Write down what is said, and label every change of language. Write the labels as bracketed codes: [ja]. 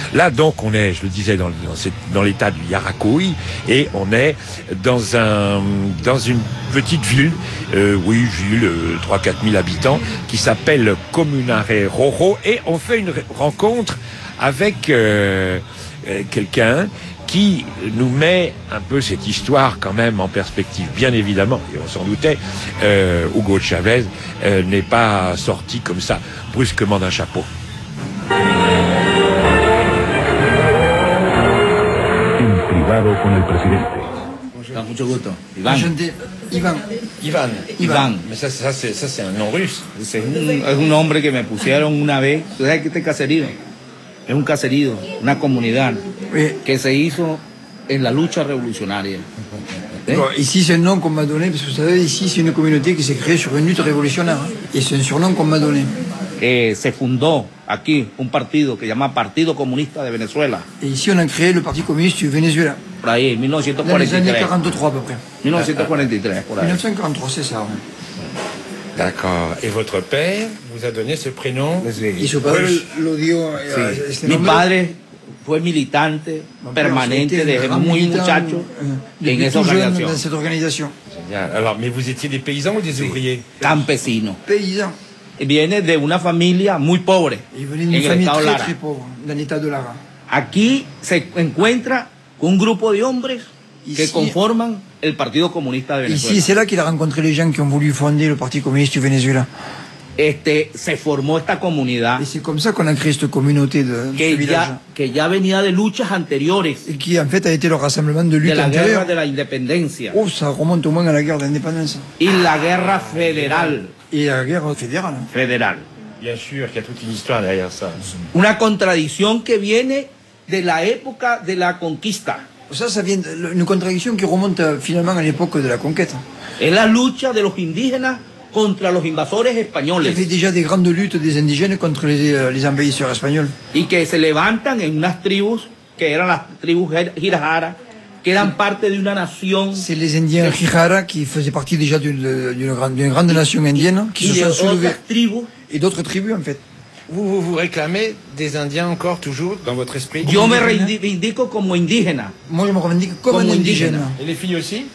[fr] Là donc, on est, je le disais, dans l'état du Yaracuy, et on est dans une petite ville, ville 3-4 000 habitants, qui s'appelle Comunare Roro, et on fait une rencontre avec quelqu'un qui nous met un peu cette histoire quand même en perspective. Bien évidemment, et on s'en doutait, Hugo Chavez n'est pas sorti comme ça, brusquement d'un chapeau. [es] En privado con el presidente. Mucho gusto. Iván. [fr] Mais ça c'est un nom russe. [es] Es un hombre que me pusieron una vez. ¿Tú sabes que este caserío? Es un caserío, una comunidad que se hizo en la lucha revolucionaria. [fr] Bon, ici c'est un nom qu'on m'a donné, parce que vous savez, ici c'est une communauté qui s'est créée sur une lutte révolutionnaire. Et c'est un surnom qu'on m'a donné. [es] Et se fundó aquí un partido que se llama Partido Comunista de Venezuela. [fr] Et ici on a créé le Parti Communiste du Venezuela. [es] Por ahí, 1943. [fr] Dans les années 43 à peu près. 1943, pour ahí. 1943, c'est ça. Hein. D'accord. Et votre père vous a donné ce prénom? [es] Y su padre lo dio. Sí. Mi padre fue militante permanente desde muy muchacho en esa organización. [fr] Dans cette organisation. Génial. Alors, mais vous étiez des paysans ou des ouvriers? [es] Campesino. [fr] Paysan. [es] Y viene de una familia muy pobre. [fr] Il venait d'une famille très, très pauvre, dans l'état de Lara. [es] Aquí se encuentra un grupo de hombres que conforman el Partido Comunista de Venezuela. [fr] Ici, c'est là qu'il a rencontré les gens qui ont voulu fonder le Parti Communiste du Venezuela. [es] Se formó esta comunidad. [fr] Et c'est comme ça qu'on a créé cette communauté de [es] que [fr] ce village. [es] Que ya venía de luchas anteriores. [fr] Et qui, en fait, a été le rassemblement de luttes antérieures. [es] De la guerra de la independencia. [fr] Oh, ça remonte au moins à la guerre d'indépendance. [es] Y la guerra federal. [fr] Et la guerre fédérale. [es] Federal. [fr] Bien sûr qu'il y a toute une histoire derrière ça. [es] Una contradicción que viene de la época de la conquista. [fr] Ça vient d'une contradiction qui remonte finalement à l'époque de la conquête. [es] Es la lucha de los indígenas contra los invasores españoles. [fr] Il y avait déjà des grandes luttes des indigènes contre les envahisseurs espagnols. [es] Y que se levantan en unas tribus que eran las tribus Jirajara, que eran parte de una nación. [fr] C'est les indiens Jirajara qui faisaient partie déjà d'une grande nation indienne qui se sont soulevés. Et d'autres tribus en fait. Vous réclamez des Indiens encore, toujours, dans votre esprit? [es] Yo me reivindico como indígena. [fr] Moi, je me revendique comme un indigène. Et les filles aussi?